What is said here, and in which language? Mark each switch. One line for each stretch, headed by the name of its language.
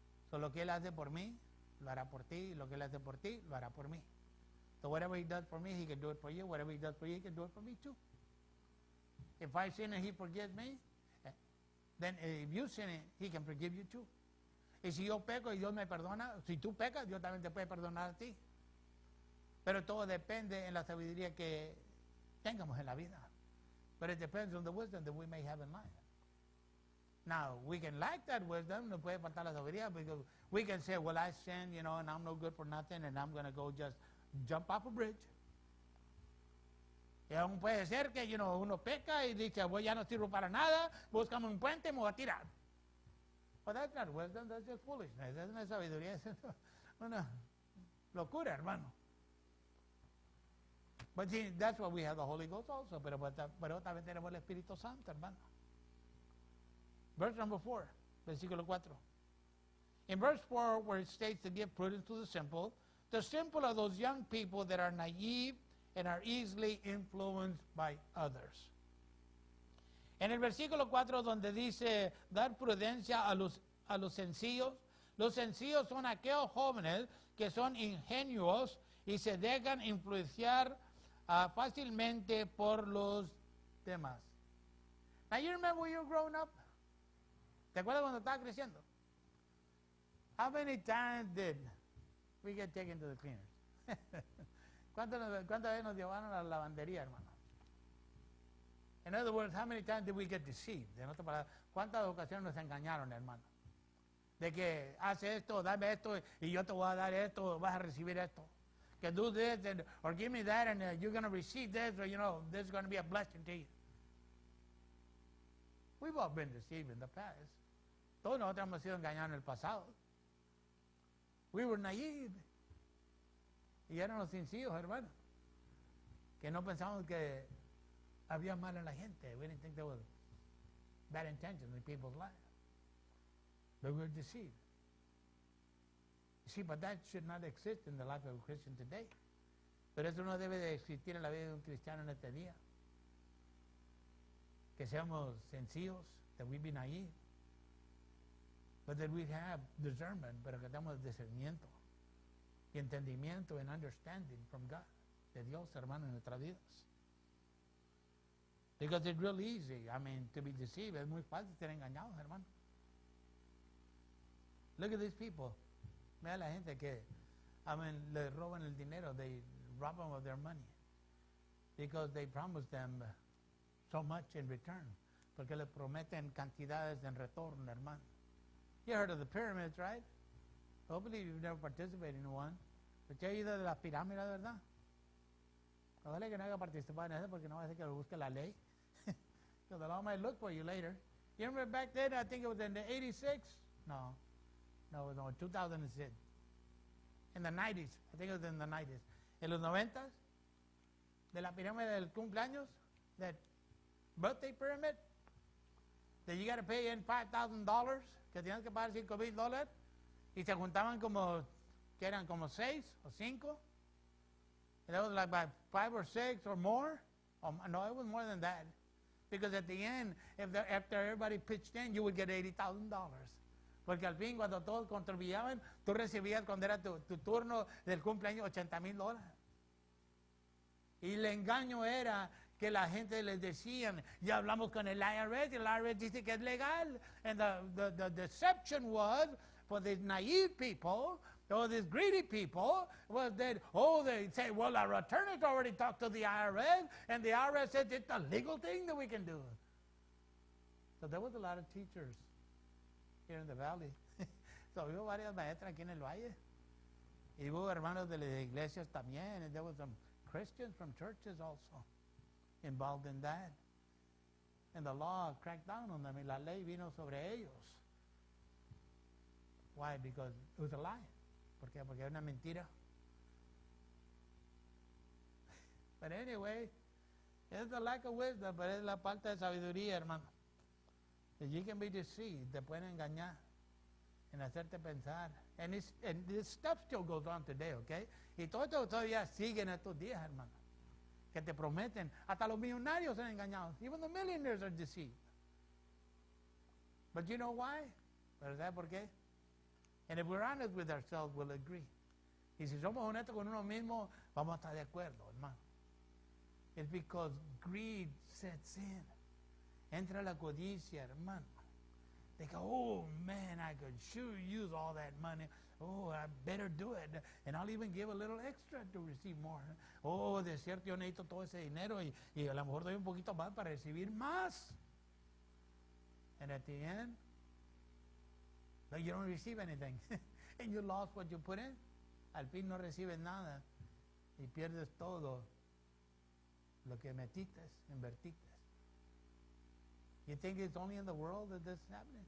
Spanish: So lo que Él hace por mí, lo hará por ti. Lo que Él hace por ti, lo hará por mí.
English: So whatever He does for me, He can do it for you. Whatever He does for you, He can do it for me too. If I sin and He forgives me, then if you sin it, He can forgive you too.
Spanish: Y si yo peco y Dios me perdona, si tú pecas, Dios también te puede perdonar a ti. Pero todo depende en la sabiduría que tengamos en la vida.
English: But it depends on the wisdom that we may have in life. Now, we can lack that wisdom,
Spanish: no puede faltar la sabiduría,
English: because we can say, well, I sin, you know, and I'm no good for nothing, and I'm going to go just jump off a bridge.
Spanish: Y aún puede ser que, you know, uno peca y dice, well, ya no sirvo para nada, buscamos un puente y me voy a tirar.
English: Well, that's not wisdom, that's just foolishness. That's not sabiduría,
Spanish: es una locura, hermano.
English: But see, that's why we have the Holy Ghost also.
Spanish: Pero también tenemos el Espíritu Santo, hermano.
English: Verse number 4,
Spanish: versículo 4.
English: In verse 4, where it states to give prudence to the simple are those young people that are naive and are easily influenced by others.
Spanish: En el versículo 4, donde dice dar prudencia a los sencillos, los sencillos son aquellos jóvenes que son ingenuos y se dejan influenciar fácilmente por los demás.
English: Now you remember when you were growing up?
Spanish: ¿Te acuerdas cuando estaba creciendo?
English: How many times did we get taken to the cleaners?
Spanish: ¿Cuántas veces nos llevaron a la lavandería, hermano?
English: In other words, how many times did we get deceived?
Spanish: En otras palabras, ¿cuántas ocasiones nos engañaron, hermano? De que hace esto, dame esto, y yo te voy a dar esto, vas a recibir esto.
English: Que do this, and, or give me that, and you're going to receive this, or, you know, this is going to be a blessing to you. We've all been deceived in the past.
Spanish: Todos nosotros hemos sido engañados en el pasado.
English: We were naive.
Spanish: Y eran los sencillos, hermano. Que no pensamos que había mal en la gente.
English: We didn't think there was bad intentions in people's lives. But we were deceived. See, but that should not exist in the life of a Christian today.
Spanish: Pero eso no debe de existir en la vida de un cristiano en este día. Que seamos sencillos,
English: that we be naive. But that we have discernment,
Spanish: pero que tengamos discernimiento y entendimiento
English: and understanding from God,
Spanish: de Dios, hermano, en nuestras vidas.
English: Because it's real easy, I mean, to be deceived.
Spanish: Es muy fácil ser engañados, hermano.
English: Look at these people.
Spanish: Mira la gente que,
English: I mean,
Spanish: le roban el dinero,
English: they rob them of their money because they promise them so much in return,
Spanish: porque le prometen cantidades en retorno, hermano.
English: You heard of the pyramids, right? Hopefully you've never participated in one.
Spanish: ¿Te has oído de las pirámides, verdad? Ojalá que no haya participado en eso porque no va a ser que lo busque la ley.
English: Because the law might look for you later. You remember back then, I think it was in the 86? No, 2006. In the 90s. I think it was in the 90s.
Spanish: En los 90s, de la pirámide del cumpleaños,
English: that birthday pyramid,
Spanish: that you got to pay in $5,000, que tienes que pagar $5,000, y se juntaban como, que eran como 6 o 5.
English: And that was like by 5 or 6 or more. No, it was more than that. Because at the end, after everybody pitched in, you would get $80,000.
Spanish: Porque al fin, cuando todos contribuían, tú recibías, cuando era tu turno del cumpleaños, $80,000. Y el engaño era que la gente les decían, ya hablamos con el IRS, y el IRS dice que es legal.
English: And the deception was, for these naive people, or these greedy people, was that, oh, they say, well, our attorney already talked to the IRS, and the IRS said it's a legal thing that we can do. So there was a lot of teachers here in the valley.
Spanish: So hubo varias maestras aquí en el valle. Y hubo hermanos de las iglesias también.
English: And there were some Christians from churches also involved in that. And the law cracked down on them.
Spanish: Y la ley vino sobre ellos.
English: Why? Because it was a lie.
Spanish: ¿Por qué? Porque era una mentira.
English: But anyway, it's the lack of wisdom, but
Spanish: es la falta de sabiduría, hermano.
English: You can be deceived.
Spanish: Te pueden engañar en hacerte pensar.
English: And this stuff still goes on today, okay?
Spanish: Y todo esto todavía sigue en estos días, hermano. Que te prometen. Hasta los millonarios son engañados.
English: Even the millionaires are deceived. But you know why? ¿Verdad por qué? And if we're honest with ourselves, we'll agree.
Spanish: Y si somos honestos con uno mismo, vamos a estar de acuerdo, hermano.
English: It's because greed sets in.
Spanish: Entra la codicia, hermano.
English: They go, oh, man, I could sure use all that money. Oh, I better do it. And I'll even give a little extra to receive more.
Spanish: Oh, de cierto yo necesito todo ese dinero y a lo mejor doy un poquito más para recibir más.
English: And at the end, like you don't receive anything. And you lost what you put in.
Spanish: Al fin no recibes nada. Y pierdes todo lo que metiste, invertiste.
English: You think it's only in the world that this is happening?